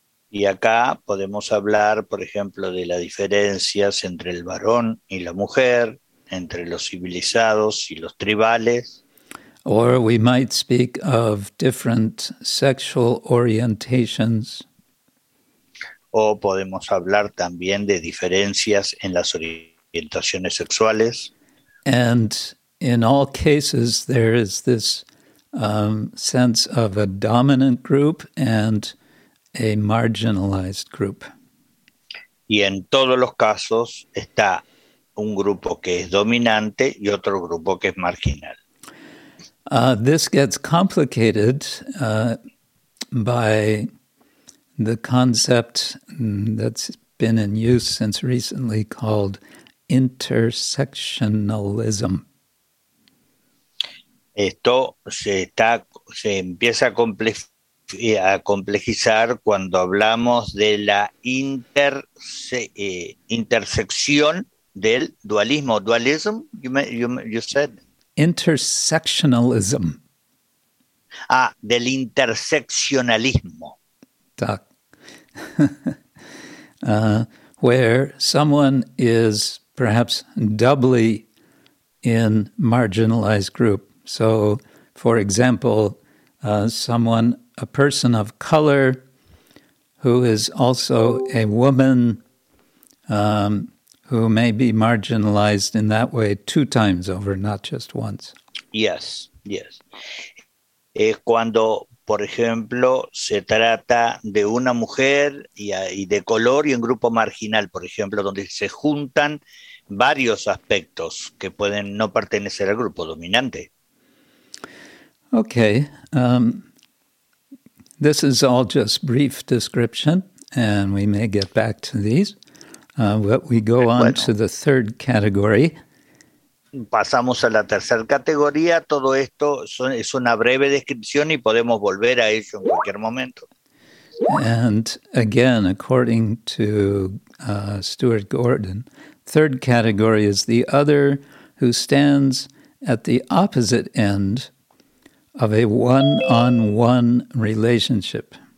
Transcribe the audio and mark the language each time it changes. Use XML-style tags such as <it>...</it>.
<es>Y acá podemos hablar, por ejemplo, de las diferencias entre el varón y la mujer, entre los civilizados y los tribales.</es> <en>Or we might speak of different sexual orientations.</en> <es>O podemos hablar también de diferencias en las orientaciones sexuales.</es> <en>And in all cases, there is this sense of a dominant group and a marginalized group.</en> <es>Y en todos los casos está un grupo que es dominante y otro grupo que es marginal.</es> <en>This gets complicated by the concept that's been in use since recently called intersectionalism.</en> <es>Esto se empieza a complejizar cuando hablamos de la intersección del dualismo.</es> <en>Dualism, you said. Intersectionalism.</en> <es>Ah, del interseccionalismo.</es> <en>Doc. Where someone is perhaps doubly in marginalized group. So, for example, a person of color who is also a woman who may be marginalized in that way two times over, not just once. Yes, yes.</en> <es>Es cuando, por ejemplo, se trata de una mujer y de color y en grupo marginal, por ejemplo, donde se juntan varios aspectos que pueden no pertenecer al grupo dominante.</es> <en>Okay, this is all just brief description, and we may get back to these. But we go on to the third category.</en> <es>Pasamos a la tercera categoría. Todo esto es una breve descripción y podemos volver a ello en cualquier momento.</es> <en>And again, according to Stuart Gordon, third category is the other who stands at the opposite end of a one-on-one relationship.</en>